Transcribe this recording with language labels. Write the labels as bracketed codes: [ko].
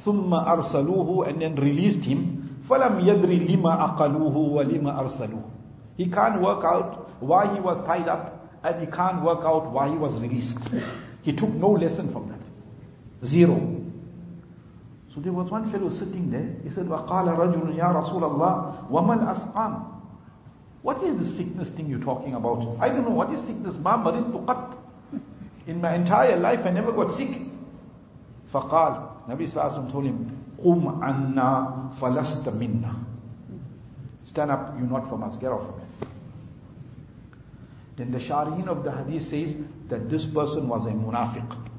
[ar] ثُمَّ أَرْسَلُوهُ, [en] and then released him. [ar] فَلَمْ يَدْرِ لِمَا أَقَلُوهُ وَلِمَا أَرْسَلُوهُ. [en] He can't work out why he was tied up, and he can't work out why he was released. He took no lesson from that. Zero. So there was one fellow sitting there. He said, [ar] وَقَالَ رَجُلٌ يَا رَسُولَ اللَّهِ وَمَنْ أَسْقَامُ. [en] What is the sickness thing you're talking about? I don't know what is sickness. [ar] مَا مَرِضْتُ قَطْ. [en] In my entire life, I never got sick. [ar] فَقَالَ. [en] Nabi Sallallahu Alaihi Wasallam told him, [ar] قُمْ عَنَّا فَلَسْتَ مِنَّا. [en] Stand up, you're not from us, get off from it. Then the Shari'in of the Hadith says that this person was a munafiq.